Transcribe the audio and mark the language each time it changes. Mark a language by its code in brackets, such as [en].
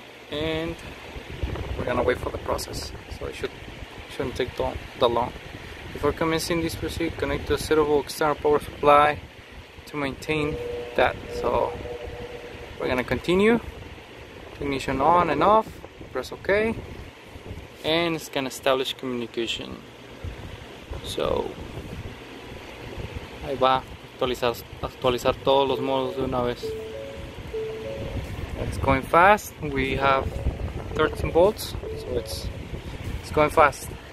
[en] And we're going to wait for the process. So it shouldn't take that long. Before commencing this procedure, connect to a suitable external power supply to maintain that. So we're going to continue. Ignition on and off, press OK, and it's gonna establish communication. [es] So, ahí va, actualizar todos los modos de una vez. [en] It's going fast, we have 13 volts, so it's going fast.